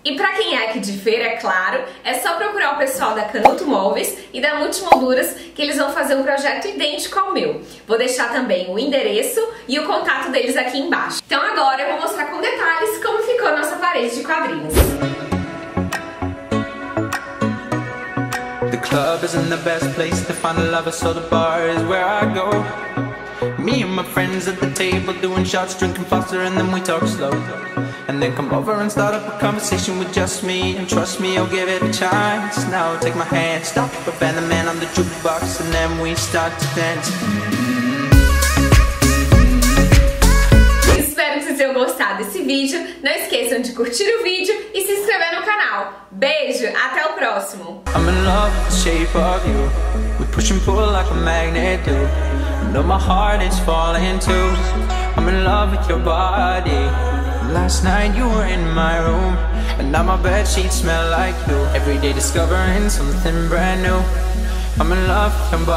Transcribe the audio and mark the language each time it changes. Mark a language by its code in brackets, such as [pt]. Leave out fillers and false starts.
[pt] E pra quem é aqui de Feira, é claro, é só procurar o pessoal da Canuto Móveis e da Multimolduras que eles vão fazer um projeto idêntico ao meu. Vou deixar também o endereço e o contato deles aqui embaixo. Então agora eu vou mostrar com detalhes como ficou a nossa parede de quadrinhos. [en] Club isn't the best place to find a lover, so the bar is where I go. Me and my friends at the table doing shots, drinking faster, and then we talk slow. And then come over and start up a conversation with just me, and trust me, I'll give it a chance. Now take my hand, stop, but bend the man on the jukebox, and then we start to dance. [pt] Espero que vocês tenham gostado desse vídeo. Não esqueçam de curtir o vídeo e se inscrever no canal. Beijo, até o próximo. [en] I'm in love with the shape of you. We push and pull like a magnet do. Now my heart is falling too. I'm in love with your body. Last night you were in my room, and now my bed sheets smell like you. Every day discovering something brand new. I'm in love with your body.